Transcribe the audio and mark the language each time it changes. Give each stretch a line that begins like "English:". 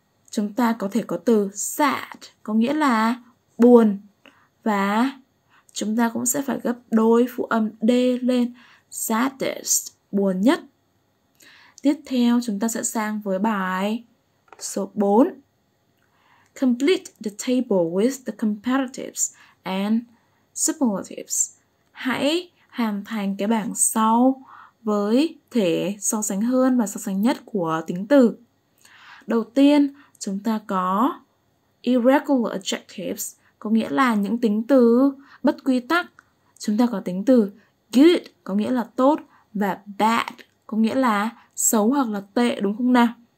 Vietnamese: Chúng ta có thể có từ sad, có nghĩa là buồn. Và chúng ta cũng sẽ phải gấp đôi phụ âm D lên. Saddest, buồn nhất. Tiếp theo chúng ta sẽ sang với bài số 4.
English: Complete the table with the comparatives and superlatives.
Vietnamese: Hãy hoàn thành cái bảng sau với thể so sánh hơn và so sánh nhất của tính từ. Đầu tiên chúng ta có
English: irregular adjectives,
Vietnamese: có nghĩa là những tính từ bất quy tắc. Chúng ta có tính từ good, có nghĩa là tốt, và bad, có nghĩa là xấu hoặc là tệ, đúng không nào?